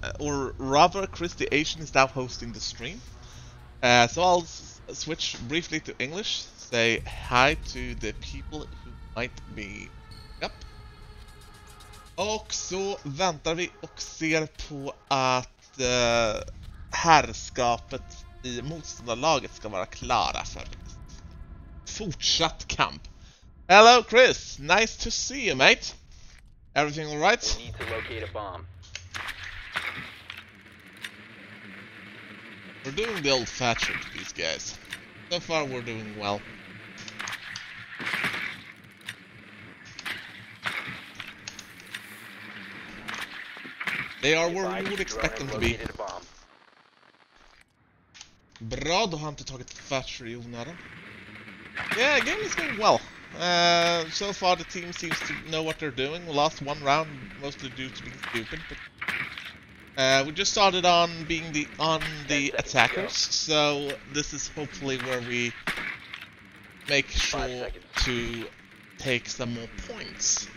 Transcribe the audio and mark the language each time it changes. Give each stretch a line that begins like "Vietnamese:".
English: Or rather, Christy Asian is now hosting the stream. So I'll switch briefly to English. Say hi to the people who might be... Yep.
Swedish: Och så väntar vi och ser på att härskapet i motståndarlaget ska vara klara för fortsatt kamp.
English: Hello, Chris. Nice to see you, mate. Everything all right? We need to locate a bomb. We're doing the old fashioned, these guys. So far, we're doing well. They are where we would expect them to be.
Swedish: Bra, då har inte tagit fatcher i onödan.
English: Yeah, game is going well. So far the team seems to know what they're doing. We lost one round, mostly due to being stupid, but... we just started on being the attackers, so this is hopefully where we make sure to take some more points.